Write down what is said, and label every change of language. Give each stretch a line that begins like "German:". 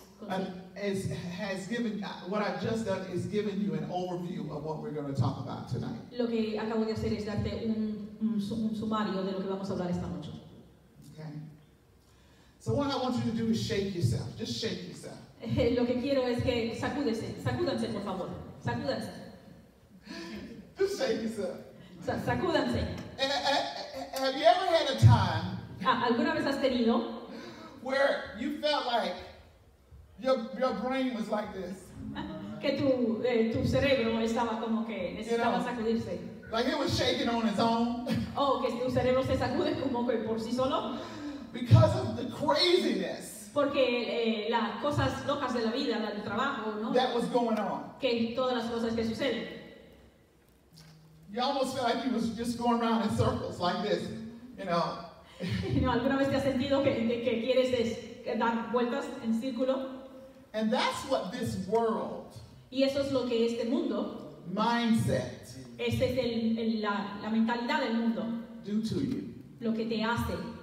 English: Has given what I've just done is given you an overview of what we're going to talk about tonight.
Spanish: Lo que acabo de hacer es darte un sumario de lo que vamos a hablar esta noche.
English: Okay. So what I want you to do is shake yourself. Just shake yourself.
Spanish: Lo que quiero es que sacúdense. Sacúdense, por favor. Sacúdense.
English: Just shake yourself.
Spanish: Sacúdanse.
English: Have you ever had a time
Spanish: ¿alguna vez has tenido
English: where you felt like your brain was like this?
Spanish: Que tu cerebro estaba como que necesitaba, you know, sacudirse.
English: Like it was shaking on its own.
Spanish: Oh, que tu cerebro se sacude como que por sí solo.
English: Because of the craziness.
Spanish: Porque las cosas locas de la vida, del trabajo, ¿no?
English: That was going on.
Spanish: Que todas las cosas que suceden.
English: You almost felt like you was just going around in circles like this, you know.
Spanish: No, ¿alguna vez te has sentido que quieres dar vueltas en círculo?
English: And that's what this world.
Spanish: Y eso es lo que este mundo.
English: Mindset.
Spanish: Este es la mentalidad del mundo.
English: Do to you.
Spanish: Lo que te hace.